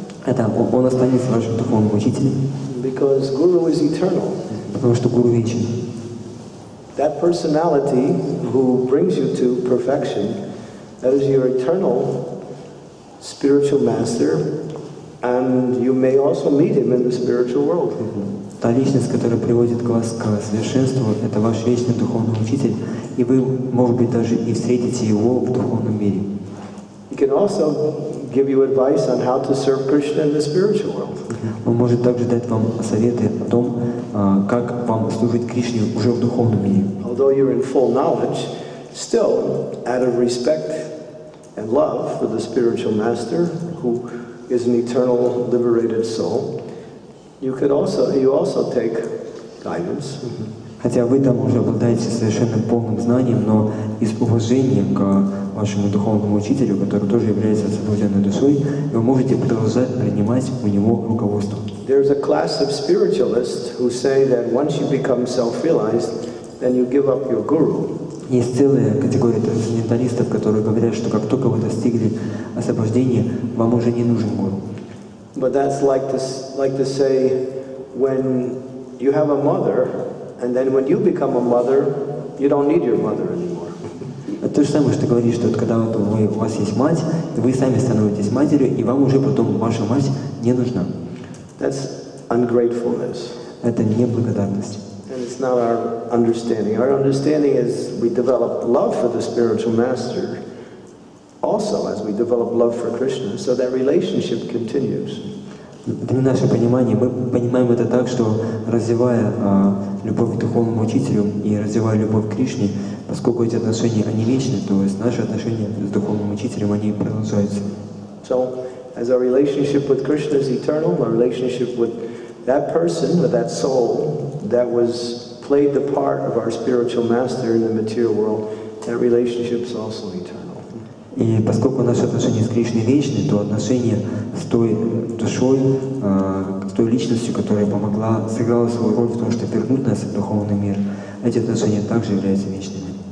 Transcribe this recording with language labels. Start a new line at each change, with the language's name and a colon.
Russian: Это он останется вашим духовным учителем.
English: Because guru is eternal.
Russian: Потому что гуру вечен.
English: That personality who brings you to perfection, that is your eternal spiritual master, and you may also meet him in the spiritual world.
Russian: Та личность, которая приводит вас к совершенству, это ваш вечный духовный учитель, и вы, может быть, даже и встретите его в духовном мире.
English: He can also give you advice on how to serve Krishna in the spiritual world.
Russian: Он может также дать вам советы о том, как вам служить Кришне уже в духовном мире.
English: Although you're in full knowledge, still, out of respect and love for the spiritual master, who is an eternal liberated soul, you also take guidance.
Russian: Хотя вы там уже обладаете совершенно полным знанием, но из уважения к вашему духовному учителю, который тоже является освобожденной душой, вы можете продолжать принимать у него руководство.
English: There's a class of spiritualists who say that once you become self-realized, then you give up your guru.
Russian: Есть целая категория трансценденталистов, которые говорят, что как только вы достигли освобождения, вам уже не нужен гуру.
English: But that's like to say, when you have a mother, and then when you become a mother, you don't need your mother anymore.
Russian: То же самое, что говорит, что когда у вас есть мать, вы сами становитесь матерью, и вам уже потом ваша мать не нужна.
English: That's ungratefulness.
Russian: Это неблагодарность.
English: And it's not our understanding. Our understanding is we develop love for the spiritual master, also as we develop love for Krishna, so that relationship continues.
Russian: Это не наше понимание. Мы понимаем это так, что развивая любовь к духовному учителю и развивая любовь к Кришне, поскольку эти отношения, они вечны, то есть наши отношения с духовным учителем, они продолжаются.
English: So, as our relationship with Krishna is eternal, our relationship with that person, with that soul, that was played the part of our spiritual master in the material world, that relationship is also eternal.
Russian: И поскольку наши отношения с Кришной вечны, то отношения с той душой, с той личностью, которая помогла, сыграла свою роль в том, чтобы вернуть нас в духовный мир, эти отношения также являются вечными.